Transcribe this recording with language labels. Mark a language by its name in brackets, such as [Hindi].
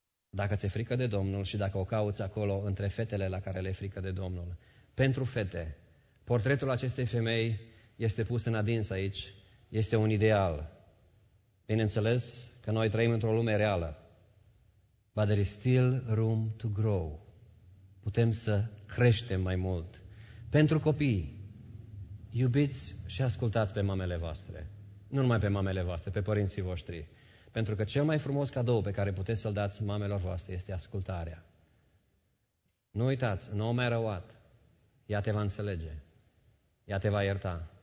[Romanian] Dacă ți-e frică de Domnul și dacă o cauți acolo între fetele la care le-e frică de Domnul. Pentru fete, portretul acestei femei este pus în adins aici, este un ideal. Bineînțeles că noi trăim într-o lume reală. [English] But there is still room to grow. [Romanian] Putem să creștem mai mult. Pentru copii, iubiți și ascultați pe mamele voastre. Nu numai pe mamele voastre, pe părinții voștri. Pentru că cel mai frumos cadou pe care puteți să-l dați mamelor voastre este ascultarea. Nu uitați, nu o mai răuat. Ea te va înțelege. Ea te va ierta.